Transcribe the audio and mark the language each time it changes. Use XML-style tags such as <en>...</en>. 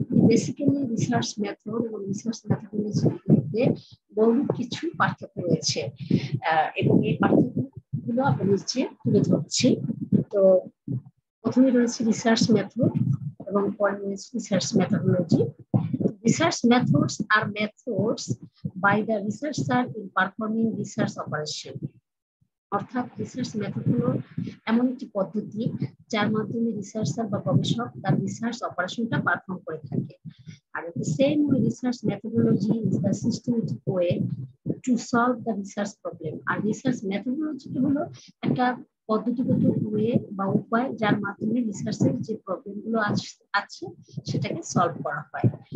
<bn>Basically research method এবং research মেথোডোলজির মধ্যে বহু কিছু পার্থক্য রয়েছে এবং এই পার্থক্যগুলো আমরা নিচে তুলে ধরছি। তো প্রথমে রয়েছে রিসার্চ মেথড এবং পরে রয়েছে research methodology.</bn> <en>Research methods are methods by the researcher in performing research operation.</en> <bn>অর্থাৎ রিসার্চ মেথড হলো এমন একটি পদ্ধতি যার মাধ্যমে রিসার্চার বা গবেষক তার রিসার্চ অপারেশনটা পারফর্ম করে থাকে।</bn> <en>আর the same way research methodology is the systematic way to solve the research problem.</en> <bn>আর research methodology হলো একটা পদ্ধতিগত ওয়ে বা উপায় যার মাধ্যমে রিসার্চের যে প্রবলেমগুলো আছে সেটাকে সলভ করা হয়।</bn>